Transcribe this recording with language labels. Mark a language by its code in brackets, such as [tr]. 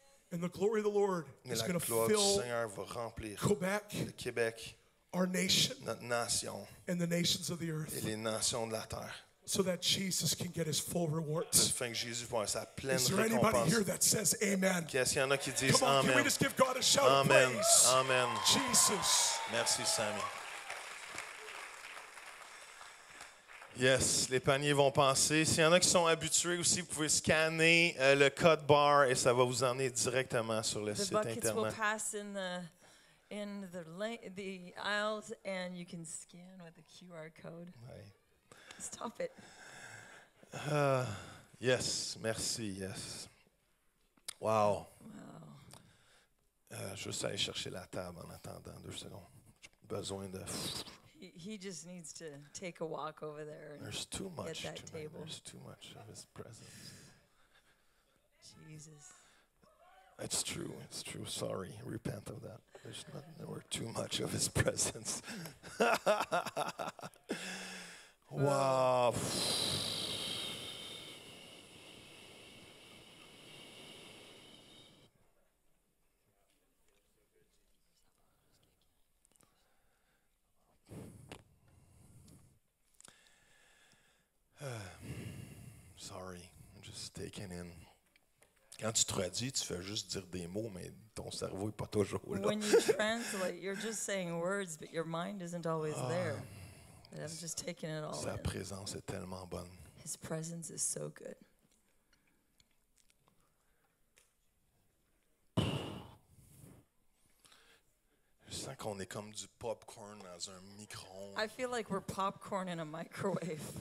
[en] And the glory of the Lord is going to fill. [fr] Et la gloire du Seigneur va remplir. [en] Quebec. [fr] Le Québec. [en] Our nation. [fr] Notre nation. [en] And the nations of the earth. [fr] Et les nations de la terre. [en] So that Jesus can get his full rewards. [fr] Afin que Jésus puisse avoir sa pleine récompense. [en] Is there anybody here that says amen? [fr] Qu'est-ce qu'il y en a qui disent amen? [en] Come on, can we just give God a shout of praise? Amen. Amen. Jesus. [fr] Merci, Sammy. Yes, les paniers vont passer. S'il y en a qui sont habitués aussi, vous pouvez scanner le code bar et ça va vous emmener directement sur le site internet. [en] The buckets will pass in the aisles and you can scan with the QR code. [fr] Oui. [en] Stop it. Yes, merci, yes. Wow. [fr] Je vais aller chercher la table en attendant deux secondes. J'ai besoin de... [en] He just needs to take a walk over there. There's too much tonight. Table. There's too much of his presence. Jesus. It's true, it's true. Sorry, repent of that. There's nothing, there were too much of his presence. Wow. Sorry, I'm just taking in. [fr] Quand tu traduis, tu fais juste dire des mots, mais ton cerveau n'est pas toujours là. [en] When you translate, you're just saying words, but your mind isn't always there. And I'm just taking it all [fr] in. Sa présence est tellement bonne. [en] His presence is so good. [fr] Je sens qu'on est comme du popcorn dans un micro-ondes. [en] I feel like we're popcorn in a microwave.